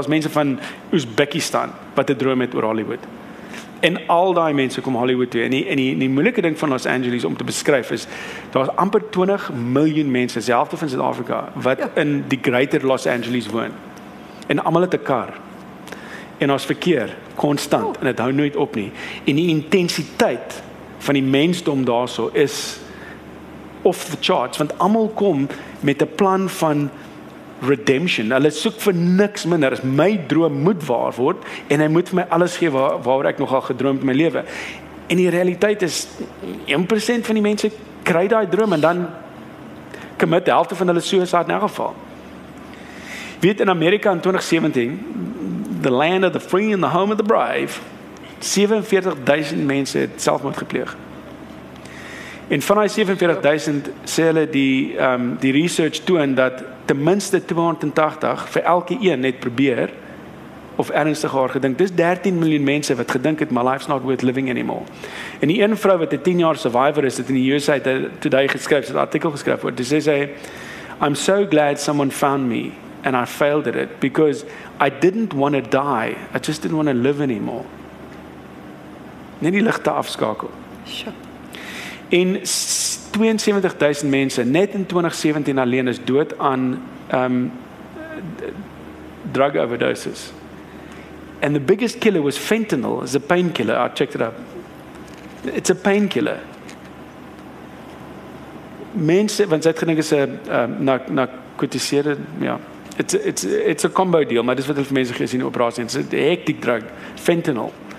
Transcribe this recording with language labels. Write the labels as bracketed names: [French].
[Afrikaans] Daar is mense van Uzbekistan, wat het droom het oor Hollywood. En al die mense kom Hollywood toe. En die moeilike ding van Los Angeles om te beskryf is, daar is amper 20 miljoen mense, die helfte van Suid-Afrika, wat in die greater Los Angeles woon. En almal het 'n kar. En daar is verkeer, constant, en het hou nooit op nie. En die intensiteit van die mensdom daarso is off the charts, want almal kom met 'n plan van redemption. Hulle soek vir niks minder as my droom moet waar word en hy moet vir my alles gee waar ek nogal gedroom het in my lewe. En die realiteit is 1% van die mense kry daai droom en dan commit die helfte van hulle suicide in elk geval. Weet, in Amerika in 2017, [English] the land of the free and the home of the brave, [Afrikaans] 47,000 mense het selfmoord gepleeg. En van die 47,000 sê hulle die research toon dat ten minste 280 vir elke een net probeer of ernstig haar gedink. Dis 13 miljoen mense wat gedink het, [English] my life's not worth living anymore. [Afrikaans] En die een vrou wat 'n 10 jaar survivor is, het in die USA Today geskryf, het 'n artikel geskryf oor. [English] Dis sê, I'm so glad someone found me and I failed at it because I didn't want to die. I just didn't want to live anymore. [Afrikaans] Net die ligte afskakel. [English] Sure. [Afrikaans] En 72,000 mense net in 2017 alleen is dood aan drug overdoses. [English] And the biggest killer was fentanyl. It's a painkiller. I checked it up. It's a painkiller. [Afrikaans] Mense, want sy het gedink is 'n narkotiseerder, ja. [English] It's a combo deal, [Afrikaans] maar dis wat hulle vir mense gee in die operasie. [English] It's a hectic drug, fentanyl.